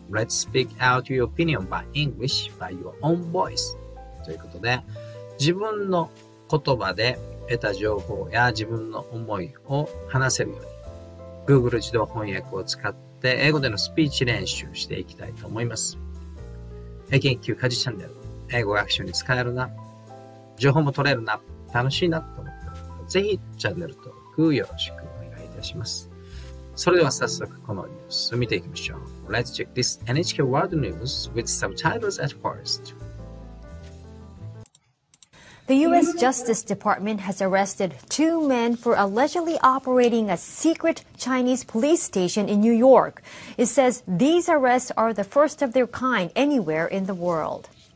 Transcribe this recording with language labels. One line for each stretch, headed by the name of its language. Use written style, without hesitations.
English: Let's speak out your opinion by English by your own voice.
Japanese: ということで、自分の言葉で得た情報や自分の思いを話せるように、Google 自動翻訳を使って英語でのスピーチ練習していきたいと思います。英研究家事チャンネル、英語学習に使えるな、情報も取れるな、楽しいなと思ったら、ぜひチャンネル登録よろしくお願いいたします。それでは早速このニュースを見ていきましょう。
English: Let's check this NHK World News with subtitles at first. The U.S. Justice Department has arrested two men for allegedly operating a secret Chinese police station in New York. It says these arrests are the first of their kind anywhere in the world.